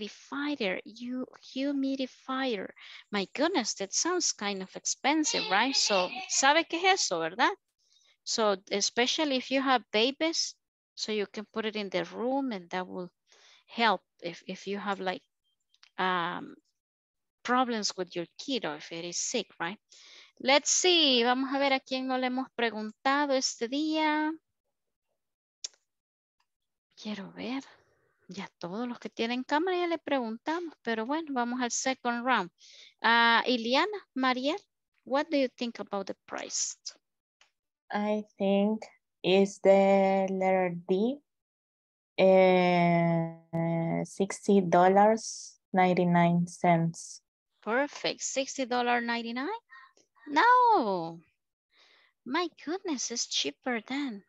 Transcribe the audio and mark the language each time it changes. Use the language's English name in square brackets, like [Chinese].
[English] Humidifier, my goodness, that sounds kind of expensive, right? So, [Spanish] ¿sabe qué es eso, verdad? [English] So, especially if you have babies, so you can put it in the room and that will help if you have like problems with your kid or if it is sick, right? Let's see, [Spanish] vamos a ver a quién no le hemos preguntado este día. Quiero ver. Ya todos los que tienen cámara ya le preguntamos, pero bueno, vamos al [English] second round. Iliana, Mariel, what do you think about the price? I think it's the letter D, $60.99. Perfect, $60.99? No, my goodness, it's cheaper than.